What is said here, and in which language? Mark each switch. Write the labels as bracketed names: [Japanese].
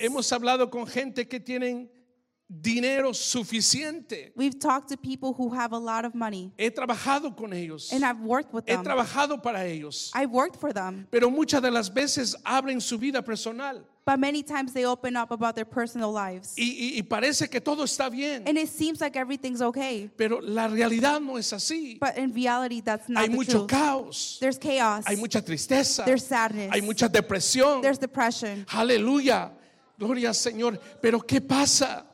[Spanish] Hemos hablado con gente que tienen dinero suficiente. [English] We've talked to people who have a lot of money. [Spanish] He trabajado con ellos. [English] And I've worked with them. [Spanish] He trabajado para ellos. [English] I've worked for them. [Spanish] Pero muchas de las veces abren su vida personal. [English] But many times they open up about their personal lives. [Spanish] Y parece que todo está bien. [English] And it seems like everything's okay. [Spanish] Pero la realidad no es así. [English] But in reality, that's not [Spanish] hay [English] the [Spanish] mucho [English] truth. [Spanish] Caos. [English] There's chaos. [Spanish] Hay mucha tristeza. [English] There's sadness. [Spanish] Hay mucha depresión. [English] There's depression. [Spanish] Aleluya. Gloria al Señor. Pero ¿qué pasa?